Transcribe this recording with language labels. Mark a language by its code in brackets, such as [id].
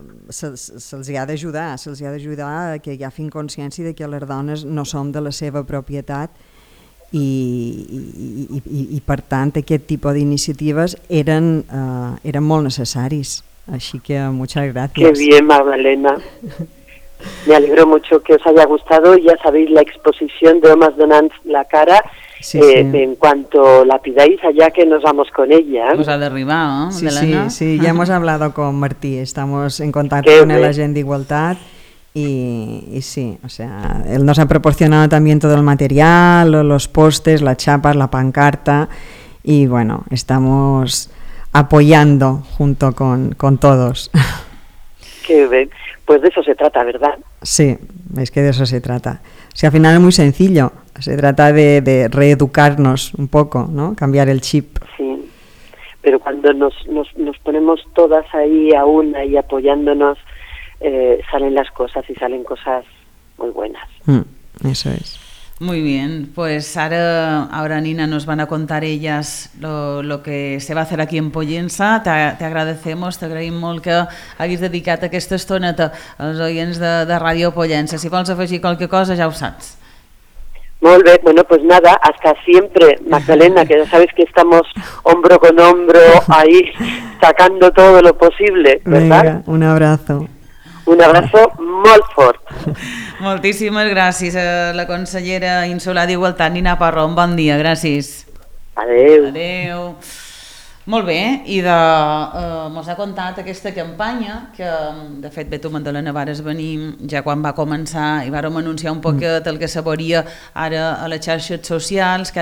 [ca] Se'ls ha d'ajudar, se'ls ha d'ajudar que ja fin consciència de que les dones no som de la seva propietat i per tant aquest tipus d'iniciatives eren molt necessaris. Així que [es] muchas gracias. Qué bien, Magdalena. Me alegro mucho que os haya gustado. Ya sabéis, la exposición de Homes Donant la Cara, sí, sí. En cuanto la pidáis allá, que nos vamos con ella. Nos ha derribado, ¿no? Sí, sí, sí, ya hemos hablado con Martí, estamos en contacto con la gente de Igualdad y sí, o sea, él nos ha proporcionado también todo el material, los postes, las chapas, la pancarta, y bueno, estamos apoyando junto con todos. Qué bien. Pues de eso se trata, ¿verdad? Sí, es que de eso se trata. O sea, al final es muy sencillo. Se trata de reeducarnos un poco, ¿no? Cambiar el chip. Sí. Pero cuando nos ponemos todas ahí a una y apoyándonos, salen las cosas y salen cosas muy buenas. Eso es. Muy bien, pues ahora Nina nos van a contar ellas lo que se va a hacer aquí en Pollença. Te agradecemos, [ca] te agraïm molt que haguis dedicat aquesta estona als oients de Ràdio Pollença. Si vols afegir qualque cosa, ja ho saps. Molt bé, [es] bueno, pues nada, hasta siempre, Magdalena, que ya sabes que estamos hombro con hombro ahí sacando todo lo posible, ¿verdad? Venga, un abrazo. Un abrazo [ca] molt fort. Moltíssimes gràcies a la consellera insular d'Igualtat, Nina Parró. Un bon dia, gràcies. Adéu. Adéu. Molt bé, i mos ha contat aquesta campanya, que de fet bé tu, Magdalena, vares venir ja quan va començar i vàrem anunciar un poquet el que se veuria ara a les xarxes socials.